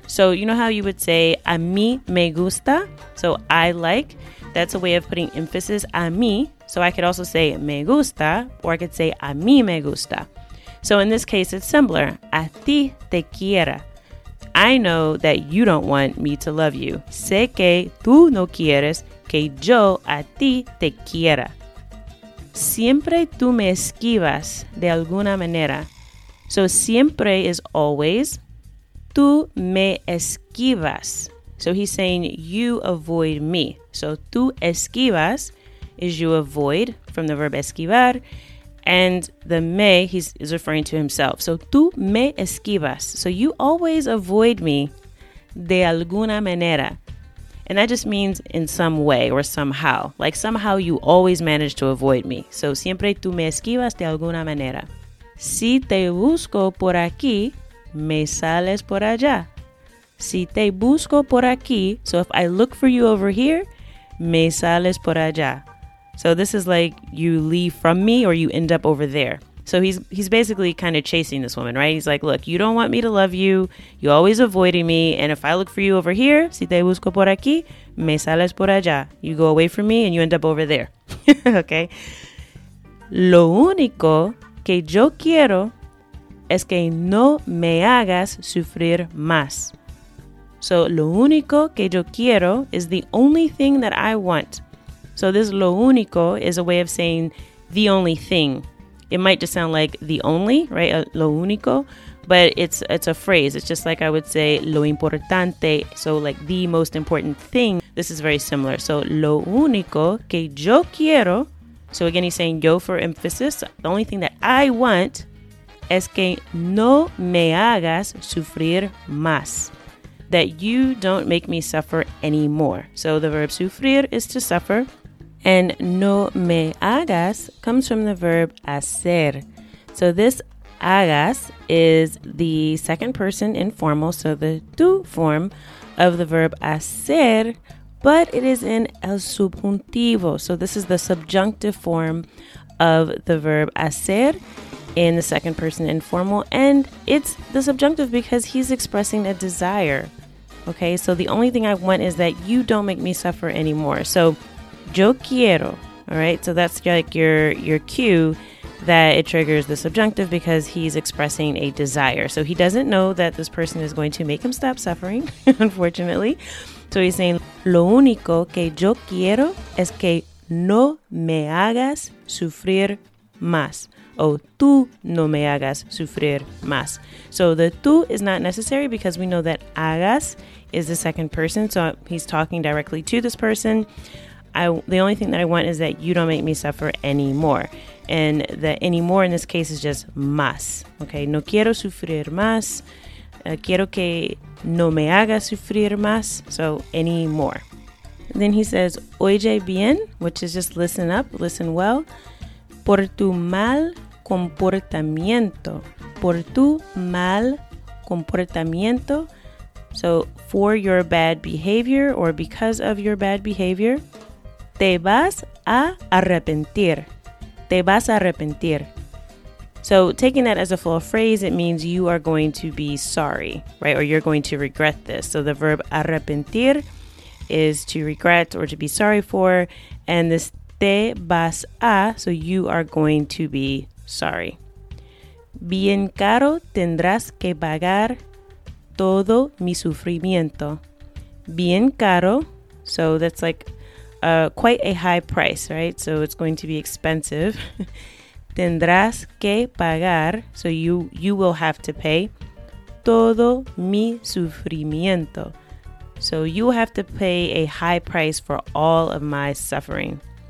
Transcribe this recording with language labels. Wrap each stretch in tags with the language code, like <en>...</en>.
<en>So you know how you would say,</en> <es>a mí me gusta,</es> <en>so I like. That's a way of putting emphasis a mí. So I could also say me gusta, or I could say</en> <es>a mí me gusta.</es> <en>So in this case, it's similar.</en> <es>A ti, te quiera.</es> <en>I know that you don't want me to love you.</en> <es>Sé que tú no quieres que yo a ti te quiera. Siempre tú me esquivas de alguna manera. So siempre</es> <en>is always.</en> <es>Tú me esquivas.</es> <en>So he's saying you avoid me. So</en> <es>tú esquivas</es> <en>is you avoid from the verb esquivar. And the me, he's referring to himself. So,</en> <es>tú me esquivas.</es> <en>So, you always avoid me</en> <es>de alguna manera.</es> <en>And that just means in some way or somehow. Like, somehow you always manage to avoid me.</en> <es>So, siempre tú me esquivas de alguna manera. Si te busco por aquí, me sales por allá. Si te busco por aquí,</es> <en>so if I look for you over here,</en> <es>me sales por allá.</es> <en>So this is like you leave from me or you end up over there. So he's basically kind of chasing this woman, right? He's like, look, you don't want me to love you. You're always avoiding me. And if I look for you over here,</en> <es>si te busco por aquí, me sales por allá.</es> <en>You go away from me and you end up over there. Okay.</en> <es>Lo único que yo quiero es que no me hagas sufrir más.</es> <en>So</en> <es>lo único que yo quiero</es> <en>is the only thing that I want. So this lo único is a way of saying the only thing. It might just sound like the only, right? Lo único, but it's a phrase. It's just like I would say lo importante. So like the most important thing. This is very similar.</en> <es>So lo único que yo quiero.</es> <en>So again, he's saying yo for emphasis. The only thing that I want</en> <es>es que no me hagas sufrir más.</es> <en>That you don't make me suffer anymore. So the verb sufrir is to suffer. And</en> <es>no me hagas</es> <en>comes from the verb hacer. So this hagas is the second person informal, so the tú form of the verb hacer, but it is in el subjuntivo. So this is the subjunctive form of the verb hacer in the second person informal. And it's the subjunctive because he's expressing a desire. Okay, so the only thing I want is that you don't make me suffer anymore. So</en> <es>yo quiero,</es> <en>all right? So that's like your cue that it triggers the subjunctive because he's expressing a desire. So he doesn't know that this person is going to make him stop suffering, unfortunately.</en> <es>So he's saying, lo único que yo quiero es que no me hagas sufrir más. O tú no me hagas sufrir más.</es> <en>So the tú is not necessary because we know that hagas is the second person. So he's talking directly to this person. The only thing that I want is that you don't make me suffer anymore. And the anymore in this case is just más.</en> <es>Okay, no quiero sufrir más. Quiero que no me hagas sufrir más.</es> <en>So anymore. Then he says,</en> <es>oye bien,</es> <en>which is just listen up, listen well.</en> <es>Por tu mal comportamiento. Por tu mal comportamiento.</es> <en>So for your bad behavior or because of your bad behavior.</en> <es>Te vas a arrepentir. Te vas a arrepentir.</es> <en>So taking that as a full phrase, it means you are going to be sorry, right? Or you're going to regret this. So the verb arrepentir is to regret or to be sorry for. And this</en> <es>te vas a,</es> <en>so you are going to be sorry.</en> <es>Bien caro tendrás que pagar todo mi sufrimiento.</es> <en>Bien caro, so that's like quite a high price, right? So it's going to be expensive.</en> <es>Tendrás que pagar,</es> <en>so you will have to pay,</en> <es>todo mi sufrimiento.</es> <en>So you have to pay a high price for all of my suffering.</en>